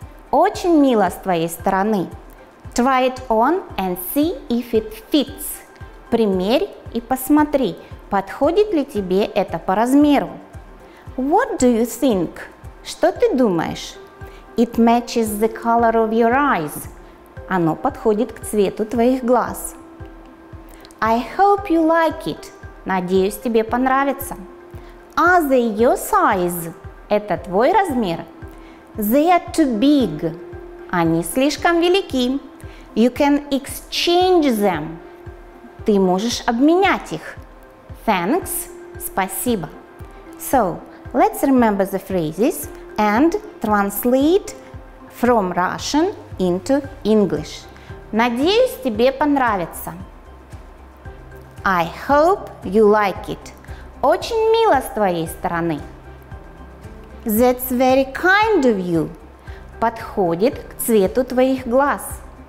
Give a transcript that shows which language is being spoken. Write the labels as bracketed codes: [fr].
[ru] Очень мило с твоей стороны. [en] Try it on and see if it fits. [ru] Примерь и посмотри, подходит ли тебе это по размеру. [en] What do you think? [ru] Что ты думаешь? [en] It matches the color of your eyes. [ru] Оно подходит к цвету твоих глаз. [en] I hope you like it. [ru] Надеюсь, тебе понравится. [en] Are they your size? [ru] Это твой размер? [en] They are too big. [ru] Они слишком велики. [en] You can exchange them. [ru] Ты можешь обменять их. [en] Thanks. [ru] Спасибо. [en] So, let's remember the phrases and translate from Russian into English. [ru] Надеюсь, тебе понравится. [en] I hope you like it. [ru] Очень мило с твоей стороны. [en] That's very kind of you. [ru] Подходит к цвету твоих глаз.